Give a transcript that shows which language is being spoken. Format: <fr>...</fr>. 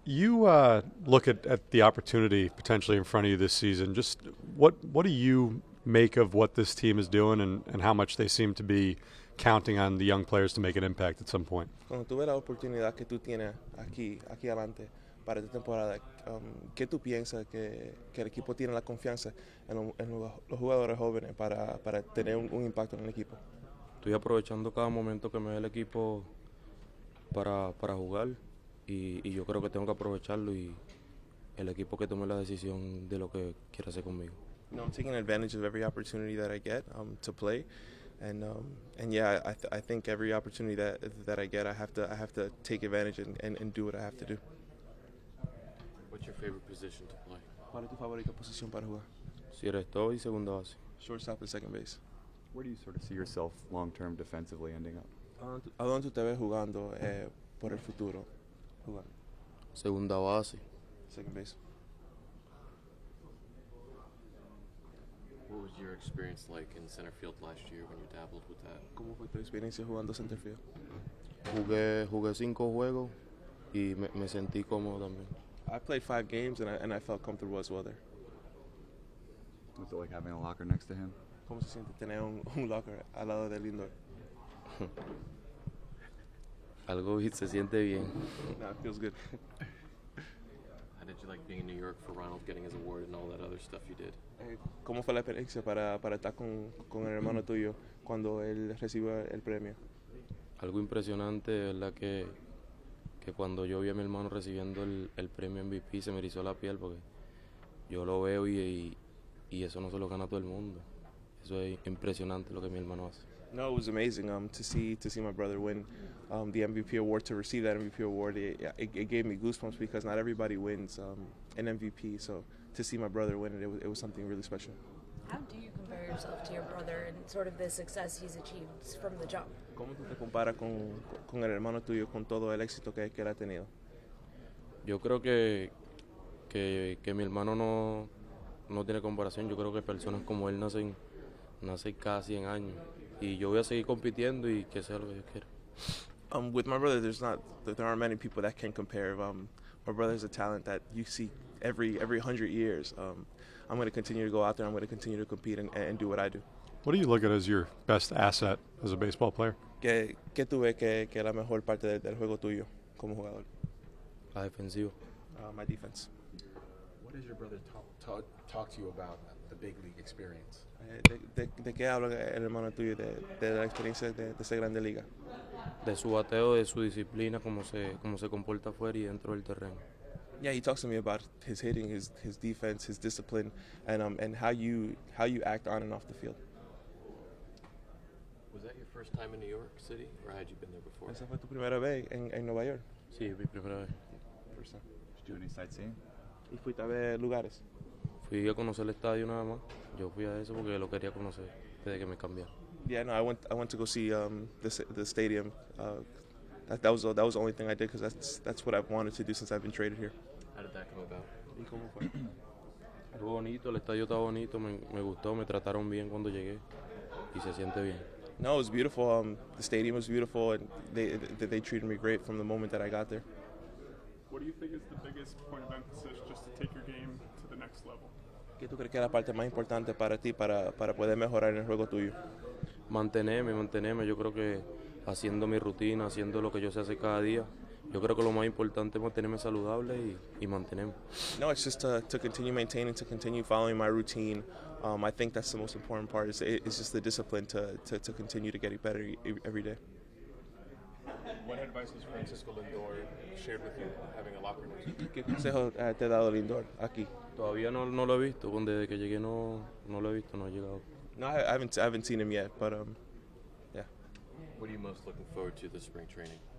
<en>You look at the opportunity potentially in front of you this season. Just what do you make of what this team is doing and how much they seem to be counting on the young players to make an impact at some point?</en> <es>Cuando tuve la oportunidad que tú tienes aquí adelante para esta temporada, ¿qué tú piensas que el equipo tiene la confianza en los jugadores jóvenes para tener un impacto en el equipo? Estoy aprovechando cada momento que me da el equipo para jugar. Y yo creo que tengo que aprovecharlo y el equipo que tome la decisión de lo que quiera hacer conmigo.</es> <en>You know, I'm taking advantage of every opportunity that I get to play, and I think every opportunity that I get, I have to take advantage and do what I have to do. What's your favorite position to play?</en> <es>¿Cuál es tu favorita posición para jugar? Si eres todo y segunda base.</es> <en>Shortstop and second base. Where do you sort of see yourself long term defensively ending up?</en> <es>¿A dónde tú te ves jugando por el futuro? Segunda base.</es> <en>Second base. What was your experience like in center field last year when you dabbled with that?</en> <es>¿Cómo fue tu experiencia jugando center field? Jugué cinco juegos y me sentí cómodo también.</es> <en>I played five games and I felt comfortable as well there. What's it like having a locker next to him?</en> <es>¿Cómo se siente tener un locker al lado de Lindor? Algo se siente bien.</es> <en>No, it feels good. How did you like being in New York for Ronald getting his award and all that other stuff you did?</en> <es>¿Cómo fue la experiencia para estar con el hermano tuyo cuando él recibió el premio? Algo impresionante, ¿verdad? Que cuando yo vi a mi hermano recibiendo el premio MVP se me erizó la piel porque yo lo veo y eso no se lo gana todo el mundo. Eso es impresionante lo que mi hermano hace.</es> <en>No, it was amazing to see my brother win the MVP award. To receive that MVP award, it gave me goosebumps because not everybody wins an MVP. So to see my brother win it was something really special. How do you compare yourself to your brother and sort of the success he's achieved from the jump?</en> <es>¿Cómo tú te comparas con el hermano tuyo con todo el éxito que él ha tenido? Yo creo que mi hermano no tiene comparación. Yo creo que personas como él nacen cada 100 años. Y yo voy a seguir compitiendo y que sea lo que yo quiera.</es> <en>With my brother, there aren't many people that can compare. My brother's a talent that you see every 100 years. I'm going to continue to go out there. I'm going to continue to compete and do what I do. What do you look at as your best asset as a baseball player?</en> <es>¿Qué tú ves que es la mejor parte del juego tuyo como jugador? La defensiva.</es> <en>My defense. What does your brother talk to you about? The big league experience.</en> <es>¿De qué habla el hermano tuyo de la experiencia de esa grande liga? De su bateo, de su disciplina, cómo se comporta fuera y dentro del terreno.</es> <en>Yeah, he talks to me about his hitting, his defense, his discipline, and how you act on and off the field. Was that your first time in New York City, or had you been there before?</en> <es>¿Esa fue tu primera vez en Nueva York? Sí, mi primera vez.</es> <en>First time. Did you do any sightseeing?</en> <es>¿Y fuiste a ver lugares? Fui a conocer el estadio nada más. Yo fui a eso porque lo quería conocer desde que me cambié.</es> <en>Yeah, no, I went to go see the stadium. That was the only thing I did because that's what I've wanted to do since I've been traded here. How did that come about?</en> <es>¿Y cómo fue? Estuvo bonito, el estadio estaba bonito, me gustó, me trataron bien cuando llegué y se siente bien.</es> <en>No, it was beautiful. The stadium was beautiful and they treated me great from the moment that I got there. What do you think is the biggest point of emphasis just to take your game to the next level?</en> <es>¿Qué tú crees que es la parte más importante para ti para poder mejorar en el juego tuyo? Mantenerme. Yo creo que haciendo mi rutina, haciendo lo que yo sé hacer cada día, yo creo que lo más importante es mantenerme saludable y mantenerme.</es> <en>No, it's just to continue maintaining, to continue following my routine. I think that's the most important part. It's just the discipline to continue to get it better every day. What advice has Francisco Lindor shared with you, having a locker room?</en> <es>¿Qué consejo te ha dado Lindor aquí? Todavía no lo he visto, porque desde que llegué no lo he visto, no ha llegado.</es> <en>No, I haven't seen him yet, but yeah. What are you most looking forward to this spring training?</en>